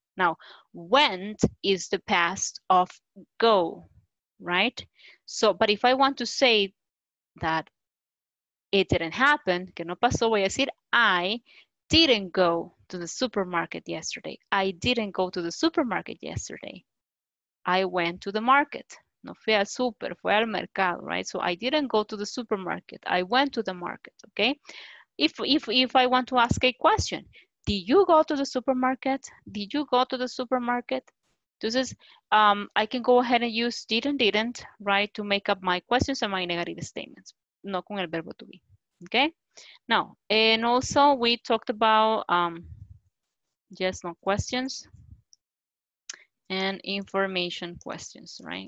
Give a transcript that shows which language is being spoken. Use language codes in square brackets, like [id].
[en] Now, went is the past of go, right? So, but if I want to say that it didn't happen, [es] que no pasó, voy a decir, [en] I didn't go to the supermarket yesterday. I didn't go to the supermarket yesterday. I went to the market. [es] No fui al super, fue al mercado, right? [en] So I didn't go to the supermarket. I went to the market, okay? If I want to ask a question, did you go to the supermarket? Did you go to the supermarket? [es] Entonces, [en] I can go ahead and use didn't, right, to make up my questions and my negative statements. [es] No con el verbo [en] to be, okay? Now, and also we talked about yes, no questions and information questions, right?